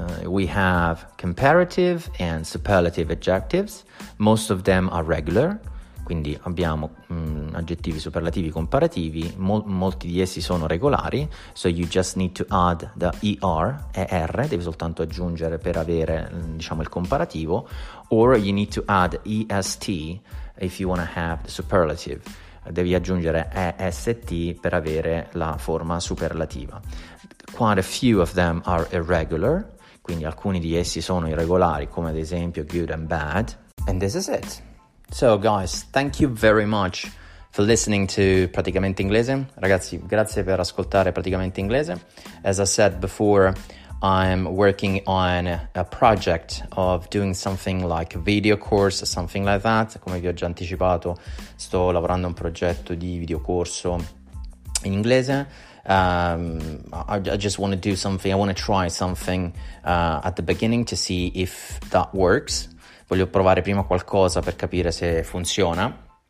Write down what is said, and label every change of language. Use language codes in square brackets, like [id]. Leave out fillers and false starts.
[en] We have comparative and superlative adjectives. Most of them are regular. [it] Quindi abbiamo aggettivi superlativi comparativi. Molti di essi sono regolari. [en] So you just need to add the er, er. [it] Devi soltanto aggiungere per avere, diciamo, il comparativo. [en] Or you need to add est if you want to have the superlative. [it] Devi aggiungere est per avere la forma superlativa. [en] Quite a few of them are irregular, [it] quindi alcuni di essi sono irregolari, come ad esempio [en] good and bad. And this is it. So guys, thank you very much for listening to Praticamente Inglese. [it] Ragazzi, grazie per ascoltare Praticamente Inglese. [en] As I said before, I'm working on a project of doing something like a video course, something like that. [it] Come vi ho già anticipato, sto lavorando a un progetto di video corso in inglese. [en] I just want to do something, I want to try something at the beginning to see if that works. [it] Voglio provare prima qualcosa per capire se funziona.